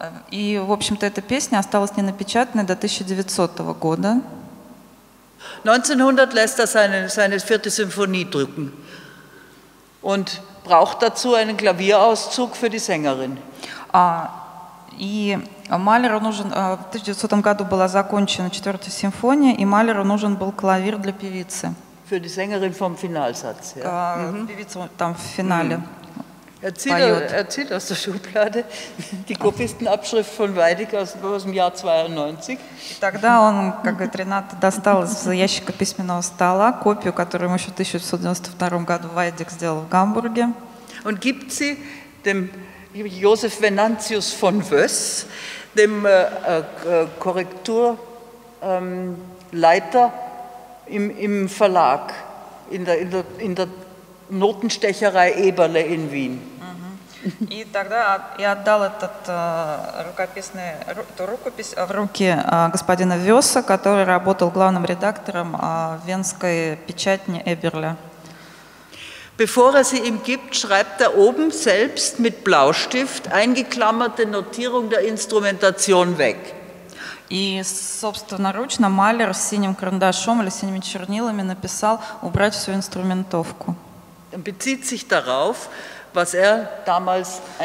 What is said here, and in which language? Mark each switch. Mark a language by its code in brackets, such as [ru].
[ru] И, в общем-то, эта песня осталась ненапечатанной до 1900 года. [de] 1900 lässt er seine vierte Symphonie drucken und braucht dazu einen Klavierauszug für die Sängerin. [ru] И Малеру нужен в 1900 году была закончена четвертая симфония, и Малеру нужен был клавир для певицы. [de] Für die Sängerin vom Finalsatz, ja. [ru] Певица там в финале. [de] Er zieht aus der Schublade die Kopistenabschrift von Weidig aus dem Jahr 92. [ru] Тогда он, как говорит Ренат, достал из ящика письменного стола копию, которую ему еще в 1992 году Weidig сделал в Гамбурге. [de] Und gibt sie dem Josef Venantius von Wöss, dem Korrekturleiter im Verlag, in der Notenstecherei Eberle in Wien. [ru] И тогда я отдал этот рукописный эту рукопись в руки господина Вёсса, который работал главным редактором венской печати Эберле. [de] Bevor er sie ihm gibt, schreibt er oben selbst mit Blaustift eingeklammerte Notierung der Instrumentation weg. [ru] И собственноручно Малер с синим карандашом или синими чернилами написал убрать всю инструментовку. [de] Er bezieht sich darauf, was er damals